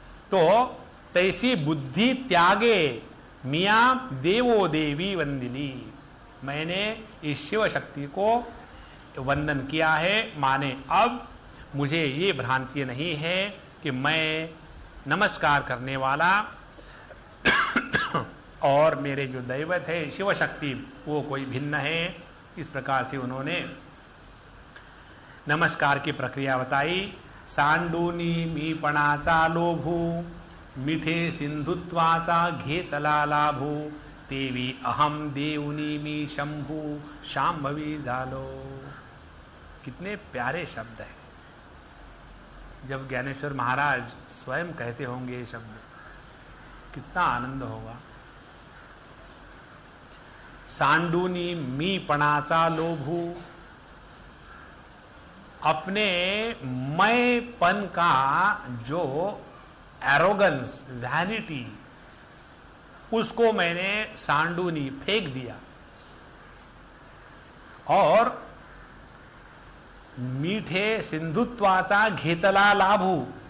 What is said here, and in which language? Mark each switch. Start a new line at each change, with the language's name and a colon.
Marathi: तो तैसी बुद्धि त्यागे मिया देवो देवी वंदिनी,
Hindi: मैंने इस शिव शक्ति को वंदन किया है, माने अब मुझे ये भ्रांति नहीं है कि मैं नमस्कार करने वाला और मेरे जो दैवत है शिव शक्ति वो कोई भिन्न है। इस प्रकार से उन्होंने नमस्कार की प्रक्रिया बताई।
Marathi: सांडूनी मी पणाचा लोभू मिठे सिंधुत्वाचा घेतला लाभू, देवी अहम देवनी मी शंभु शांभवी जालो।
Hindi: कितने प्यारे शब्द हैं। जब ज्ञानेश्वर महाराज स्वयं कहते होंगे ये शब्द कितना आनंद होगा।
Marathi: सांडूनी मी पणाचा लोभू,
Hindi: अपने मैंपन का जो एरोगेंस वैनिटी उसको मैंने सांडूनी फेंक दिया और
Marathi: मीठे सिंधुत्वाचा घेतला लाभू,